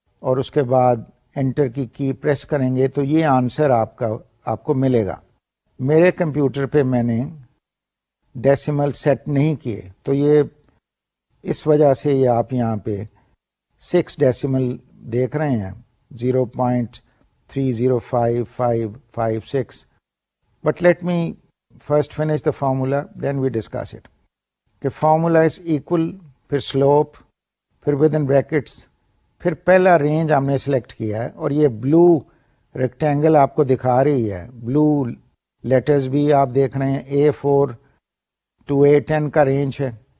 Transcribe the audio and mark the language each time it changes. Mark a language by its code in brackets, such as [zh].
[ur] اور اس کے بعد انٹر کی کی پریس کریں گے تو یہ آنسر آپ کو ملے گا. میرے کمپیوٹر پہ میں نے ڈیسیمل سیٹ نہیں کیے تو یہ اس وجہ سے یہ آپ یہاں پہ 6 ڈیسیمل دیکھ رہے ہیں 0.305556. [en] But let me first finish the formula then we discuss it. [ur] کہ فارمولا از ایکول پھر سلوپ پھر ود ان بریکٹس پھر پہلا رینج ہم نے سلیکٹ کیا ہے اور یہ بلو ریکٹینگل آپ کو دکھا رہی ہے بلو لیٹرز بھی آپ دیکھ رہے ہیں A4 to A10 کا رینج ہے.